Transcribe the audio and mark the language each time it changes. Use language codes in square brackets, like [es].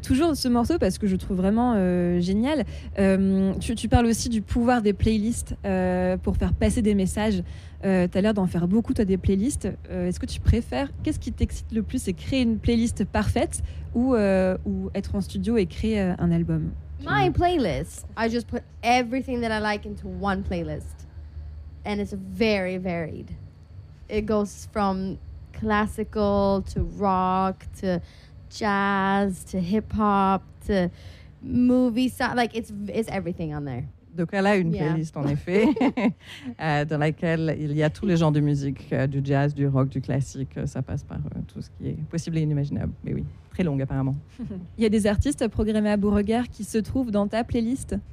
[fr] Toujours ce morceau, parce que je trouve vraiment génial. Tu parles aussi du pouvoir des playlists pour faire passer des messages. Tu as l'air d'en faire beaucoup, toi, des playlists. Est-ce que tu préfères ? Qu'est-ce qui t'excite le plus ? C'est créer une playlist parfaite ou être en studio et créer un album ? [en] My playlist. I just put everything that I like into one playlist. And it's very varied. It goes from classical to rock to jazz to hip-hop to movie stuff, like it's everything on there. [fr] Donc elle a une playlist en effet dans laquelle il y a tous les genres de musique, du jazz, du rock, du classique, ça passe par tout ce qui est possible et inimaginable, mais oui, très longue apparemment. Il y a des artistes programmés à Beauregard qui se trouvent dans ta playlist?